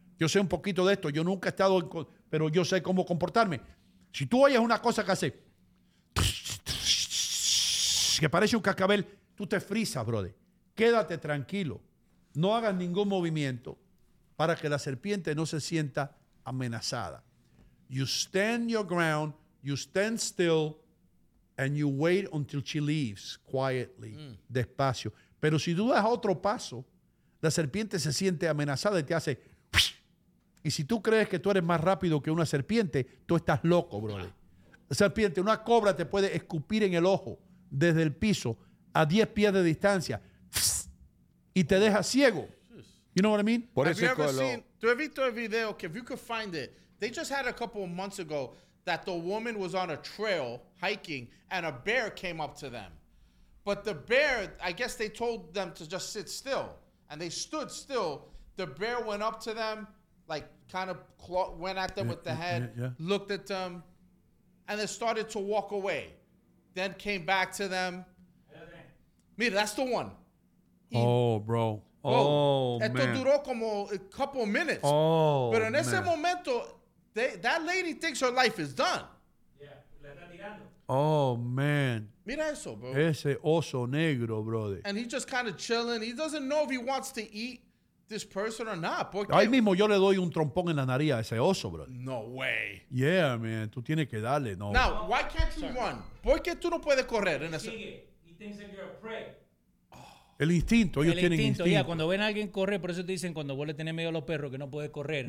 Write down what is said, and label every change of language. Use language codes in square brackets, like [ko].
[es] Yo sé un poquito de esto, yo nunca he estado, pero yo sé cómo comportarme. Si tú oyes una cosa que hace, que parece un cascabel, tú te frisas, brother. Quédate tranquilo. No hagas ningún movimiento para que la serpiente no se sienta amenazada. [en] You stand your ground, you stand still, and you wait until she leaves quietly, despacio. [es] Pero si tú das otro paso, la serpiente se siente amenazada y te hace... Y si tú crees que tú eres más rápido que una serpiente, tú estás loco, brother. Serpiente, una cobra te puede escupir en el ojo desde el piso a 10 pies de distancia y te deja ciego. [en] You know what I mean? [es] Por eso es que lo... ¿Tú has visto el video? [en] Que if you could find it, they just had a couple of months ago that the woman was on a trail hiking and a bear came up to them. But the bear, I guess they told them to just sit still. And they stood still. The bear went up to them, like kind of went at them with the head, looked at them, and then started to walk away. Then came back to them. Mira, that's the one. [es] Esto duró como [en] a couple of minutes. [es] Pero en ese momento... [en] that lady thinks her life is done. Oh, man. [es] Mira eso, bro. Ese oso negro, brother. [en] And he's just kind of chilling. He doesn't know if he wants to eat this person or not. [es] Porque... Ahí mismo yo le doy un trompón en la nariz a ese oso, brother. [en] No way. [es] Yeah, man. Tú tienes que darle. No. [en] Now, why can't you run? [es] ¿Por qué tú no puedes correr en ese? [en] He thinks that you're a prey. [es] El instinto, ellos tienen instinto. Ya, cuando ven a alguien correr, por eso te dicen cuando vuelve a tener miedo a los perros que no puedes correr.